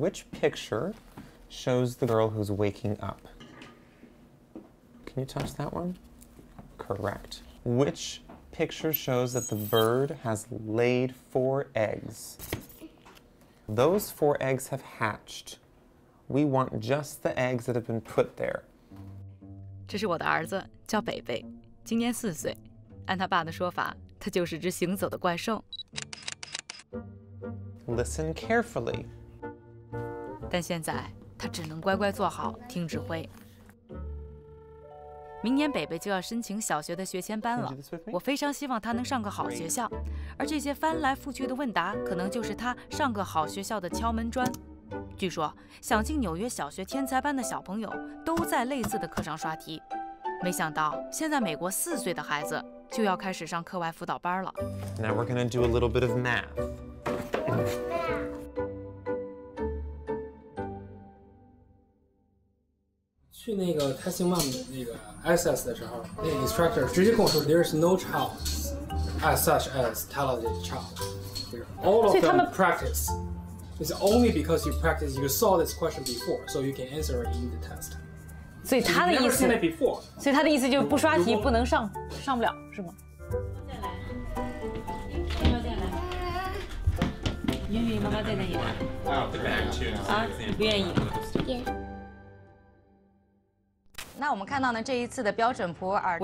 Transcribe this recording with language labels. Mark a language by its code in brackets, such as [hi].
[en] Which picture shows the girl who's waking up? Can you touch that one? Correct. Which picture shows that the bird has laid 4 eggs? Those 4 eggs have hatched. We want just the eggs that have been put there. [zh] 这是我的儿子，叫北北，今年四岁。按他爸的说法，他就是只行走的怪兽。 [en] Listen carefully. [zh] 但现在他只能乖乖坐好，听指挥。明年北北就要申请小学的学前班了，我非常希望他能上个好学校，而这些翻来覆去的问答，可能就是他上个好学校的敲门砖。据说想进纽约小学天才班的小朋友都在类似的课上刷题，没想到现在美国四岁的孩子就要开始上课外辅导班了。 [en] Now we're gonna do a little bit of math. Math. [zh] 去那个 testing mom 的那个 access 的时候，那 instructor 直接跟我说 ， [en] There is no child as such as talented child. All of them practice. It's only because you practice. You saw this question before, so you can answer it in the test. So his [zh] 的意思 [en] before. [zh] 所以他的意思就是不刷题不能上，上不了，是吗？妈妈妈妈在哪里？啊，不愿意。那我们看到呢，这一次的标准普尔。